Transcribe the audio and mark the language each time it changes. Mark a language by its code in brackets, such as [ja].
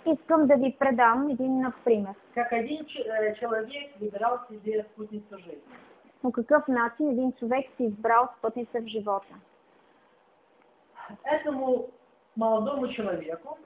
[bg] Искам да ви предам един пример. [ru] Как один человек выбирал себе спутницу жизни. [bg] По какъв начин един човек си избрал спътница в живота? [ru] Этому молодому человеку.